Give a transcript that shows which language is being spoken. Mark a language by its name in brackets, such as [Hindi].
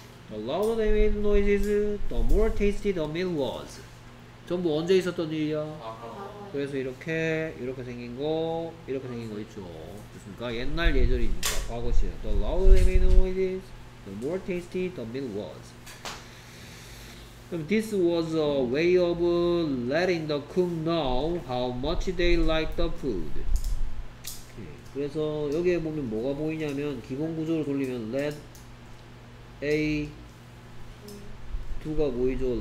[English] The louder they made noises, the more tasty the meal was. [Korean] 전부 언제 있었던 일이야? 그래서 이렇게 생긴 거, 이렇게 생긴 거 있죠. 그렇습니까? 옛날 예절이니까 과거시에. [English] The louder they made noises, the more tasty the meal was. This was a way of letting the cook know how much they liked the food. [Korean] 그래서 여기에 보면 뭐가 보이냐면 기본 구조를 돌리면 [English] let A do [Korean] 가 보이죠?